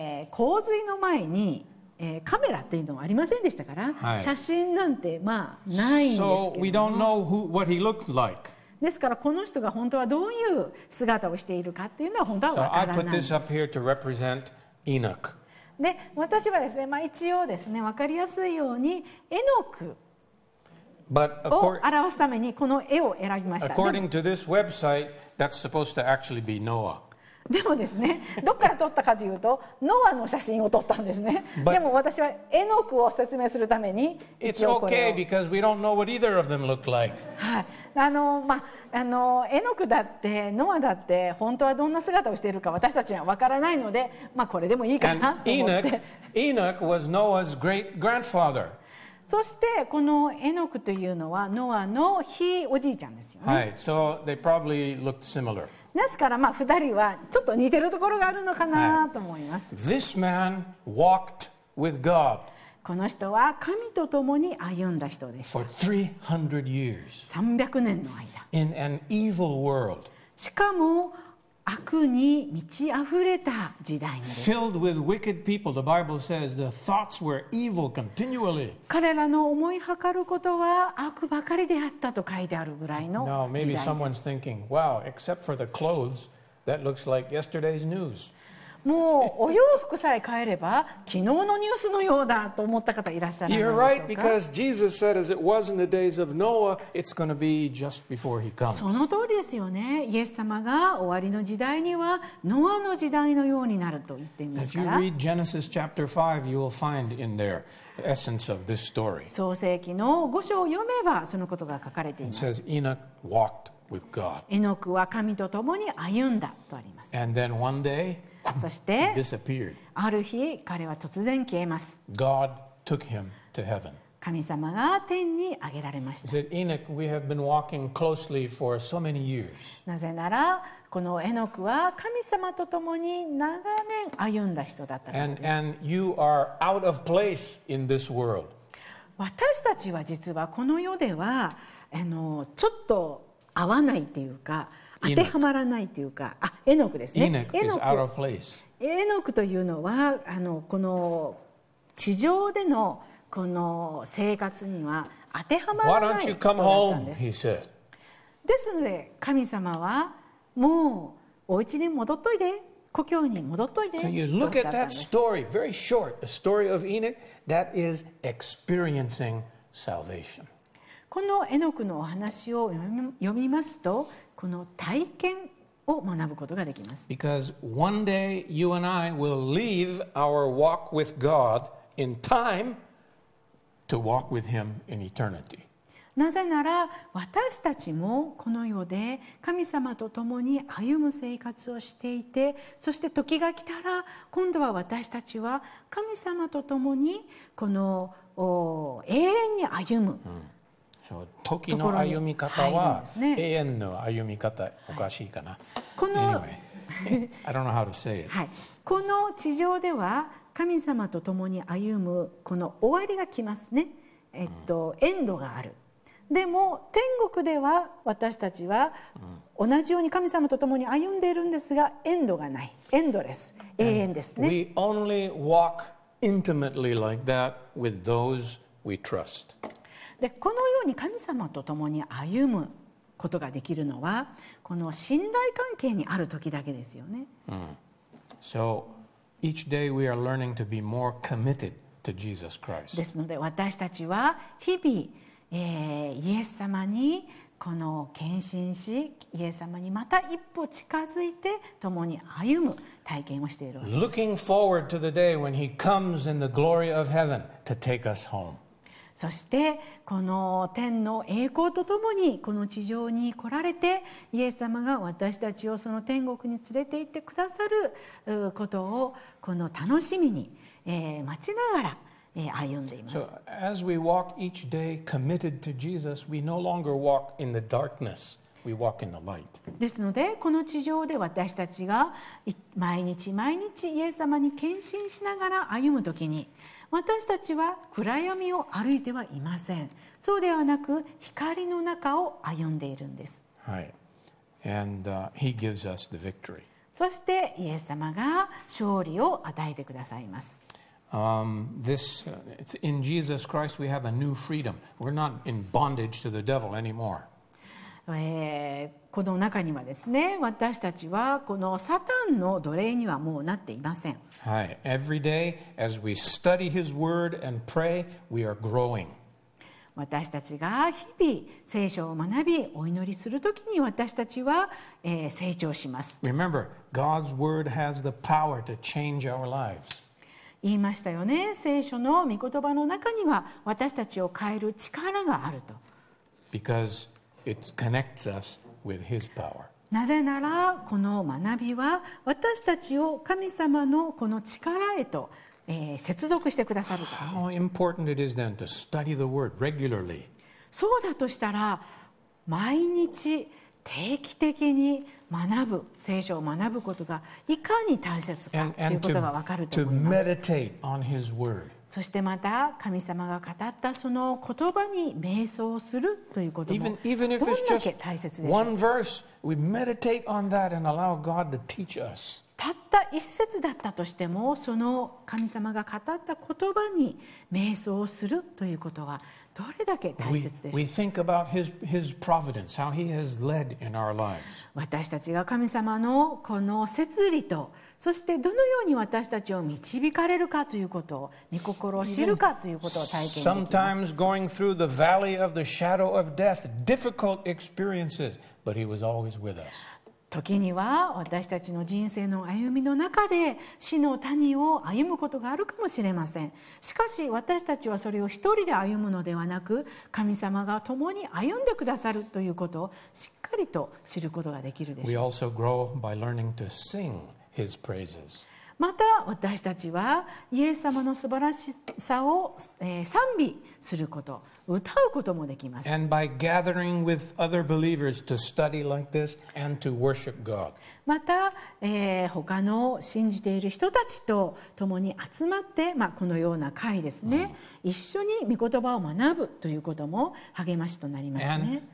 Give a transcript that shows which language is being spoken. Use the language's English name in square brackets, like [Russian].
[Japanese] 洪水の前に、カメラっていうのはありませんでしたから、はい、写真なんてまあないんですけども。 [English] So we don't know what he looked like. [Japanese] ですからこの人が本当はどういう姿をしているかっていうのは本当は分からないんです。 [English] So I put this up here to represent Enoch. [Japanese] で私はですね、まあ、一応ですね分かりやすいようにエノクを表すためにこの絵を選びました。 [English] According to this website, that's supposed to actually be Noah. [Japanese] でもですね、どっから撮ったかというとノアの写真を撮ったんですね。でも私はエノクを説明するために [English] It's okay because we don't know what either of them look like. [Japanese] はい、まあ、エノクだってノアだって本当はどんな姿をしているか私たちはわからないので、まあこれでもいいかなと思って。 [English] Enoch was Noah's great grandfather. [Japanese] そしてこのエノクというのはノアのひいおじいちゃんですよね。 [English] はい、so they probably looked similar. [Japanese] ですからまあ2人はちょっと似てるところがあるのかなと思います。 [English] Right. This man walked with God. [Japanese] この人は神と共に歩んだ人でした。 [English] For 300 years. [Japanese] 300年の間。 [English] In an evil world. [Japanese] しかも悪に満ち溢れた時代に。 [English] Filled with wicked people, the Bible says the thoughts were evil continually. [Japanese] 彼らの思いはかることは悪ばかりであったと書いてあるぐらいの時代です。 [English] Now maybe someone's thinking, wow, except for the clothes, that looks like yesterday's news. [Japanese] もうお洋服さえ変えれば昨日のニュースのようだと思った方いらっしゃるでしょうか。 [English] You're right, because Jesus said as it was in the days of Noah, it's going to be just before he comes. [Japanese] その通りですよね。イエス様が終わりの時代にはノアの時代のようになると言っていますから。 [English] If you read Genesis chapter 5, you will find in there the essence of this story. [Japanese] 創世記の5章を読めばそのことが書かれています。 [English] It says Enoch walked with God. [Japanese] エノクは神と共に歩んだとあります。 [English] And then one day, [Japanese] そしてある日彼は突然消えます。 [English] God took him to heaven. [Japanese] 神様が天に上げられました。 [English] He said, Enoch, we have been walking closely for so many years. [Japanese] なぜならこのエノクは神様と共に長年歩んだ人だったからです。 [English] and you are out of place in this world. [Japanese] 私たちは実はこの世ではちょっと合わないというか当てはまらないというか、あ、エノクですね。 [English] Enoch is out of place. [Japanese] エノクというのはこの地上でのこの生活には当てはまらない人だったんです。 [English] Why don't you come home? He said. [Japanese] ですので神様はもうお家に戻っといで、故郷に戻っといで。 [English] So you look at that story, very short, the story of Enoch that is experiencing salvation. [Japanese] このエノクのお話を読みますと。この体験を学ぶことができます。 [English] Because one day you and I will leave our walk with God in time to walk with Him in eternity. [Japanese] なぜなら私たちもこの世で神様と共に歩む生活をしていて、そして時が来たら今度は私たちは神様と共にこの永遠に歩む。時の歩み方は永遠の歩み方、おかしいかな。この、 [English] anyway, I don't know how to say it. [Japanese] はい、この地上では神様と共に歩むこの終わりが来ますね。エンドがある。でも天国では私たちは同じように神様と共に歩んでいるんですが、エンドがない。エンドレス、永遠ですね。 [English] And、we only walk intimately like that with those we trust. [Japanese] でこのように神様と共に歩むことができるのはこの信頼関係にある時だけですよね。 [English] So each day we are learning to be more committed to Jesus Christ. [Japanese] ですので私たちは日々、イエス様にこの献身し、イエス様にまた一歩近づいて共に歩む体験をしているわけです。 [English] Looking forward to the day when He comes in the glory of heaven to take us home. [Japanese] そしてこの天の栄光とともにこの地上に来られて、イエス様が私たちをその天国に連れて行ってくださることをこの楽しみに待ちながら歩んでいます。 [English] So as we walk each day committed to Jesus, we no longer walk in the darkness. We walk in the light. [Japanese] ですのでこの地上で私たちが毎日毎日イエス様に献身しながら歩むときに。私たちは暗闇を歩いてはいません。そうではなく光の中を歩んでいるんです。はい。 [English] And, he gives us the victory. [Japanese] そしてイエス様が勝利を与えてくださいます。 [English] This, in Jesus Christ we have a new freedom. We're not in bondage to the devil anymore. [Japanese] この中にはですね、私たちはこのサタンの奴隷にはもうなっていません。はい。 [English] Every day, as we study His word and pray, we are growing. [Japanese] 私たちが日々聖書を学び、お祈りするときに私たちは、成長します。 [English] Remember, God's word has the power to change our lives. [Japanese] 言いましたよね。聖書の御言葉の中には私たちを変える力があると。 [English] Because it connects us. With his power. [Japanese] なぜならこの学びは私たちを神様のこの力へと、接続してくださるからです。 [English] How important it is then to study the word regularly. [Japanese] そうだとしたら毎日定期的に学ぶ聖書を学ぶことがいかに大切かということがわかると思います。 [English] To meditate on his word. [Japanese] そしてまた神様が語ったその言葉に瞑想するということもどれだけ大切でしょうか。 [English] Even if it's just one verse, we meditate on that and allow God to teach us. [Japanese] たった一節だったとしてもその神様が語った言葉に瞑想するということはどれだけ大切でしょうか。 [English] We think about his providence, how he has led in our lives. [Japanese] 私たちが神様のこの摂理とそしてどのように私たちを導かれるかということを御心を知るかということを体験できます。 [English] Sometimes going through the valley of the shadow of death, difficult experiences, but he was always with us. [Japanese] 時には私たちの人生の歩みの中で死の谷を歩むことがあるかもしれません。しかし私たちはそれを一人で歩むのではなく神様が共に歩んでくださるということをしっかりと知ることができるでしょう。 [English] We also grow by learning to singHis praises. [Japanese] また私たちはイエス様の素晴らしさを賛美すること、歌うこともできます。 [English] And by gathering with other believers to study like this and to worship God. [Japanese] また、他の信じている人たちと共に集まって、まあ、このような会ですね、一緒に御言葉を学ぶということも励ましとなりますね。